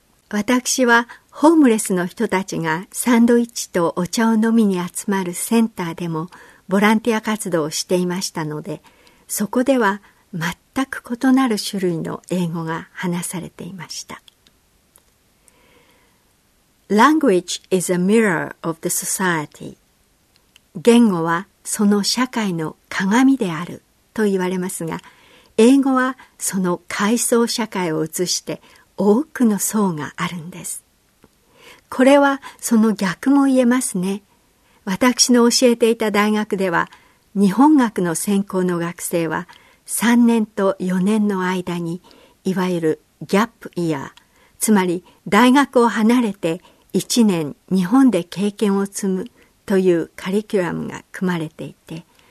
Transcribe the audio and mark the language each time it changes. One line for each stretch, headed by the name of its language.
Japanese: 私はホームレスの人たちがサンドイッチとお茶を飲みに集まるセンターでもボランティア活動をしていましたので、そこでは全く異なる種類の英語が話されていました。
English: Language is a mirror of the society.
Japanese: 言語はその社会の鏡であると言われますが、英語はその階層社会を映して多くの層があるんです。これはその逆も言えますね。私の教えていた大学では、日本学の専攻の学生は3年と4年の間に、いわゆるギャップイヤー、つまり大学を離れて1年日本で経験を積むというカリキュラムが組まれていて、